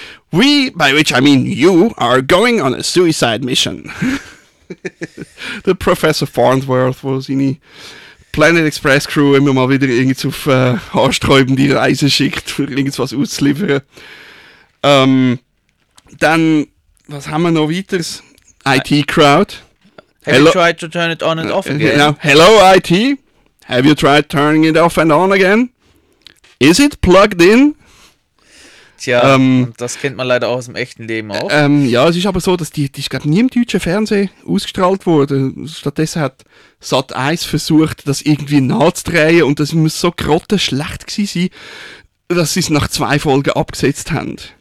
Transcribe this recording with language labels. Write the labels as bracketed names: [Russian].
[English] We, by which I mean you, are going on a suicide mission. [German] The Professor Farnsworth, wo seine Planet Express Crew immer mal wieder irgendwie auf haarsträubende Reise schickt, für irgendwas auszuliefern. Dann, was haben wir noch weiteres? IT Crowd. [English] Have you tried to turn it on and off again? Now, hello, IT. Have you tried turning it off and on again? Is it plugged in? [German] Tja, das kennt man leider auch aus dem echten Leben auch. Es ist aber so, dass die ist gerade nie im deutschen Fernsehen ausgestrahlt worden. Stattdessen hat Sat.1 versucht, das irgendwie nachzudrehen und das muss so grottenschlecht gewesen sein, dass sie es nach zwei Folgen abgesetzt haben.